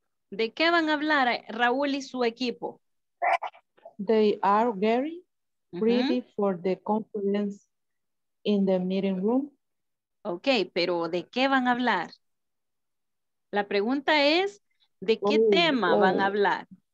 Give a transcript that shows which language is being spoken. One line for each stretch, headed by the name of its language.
Spanish: ¿De qué van a hablar Raúl y su equipo?
English: They are very ready for the conference in the meeting room.
Spanish: Ok, pero ¿de qué van a hablar? La pregunta es, ¿de qué tema van a hablar?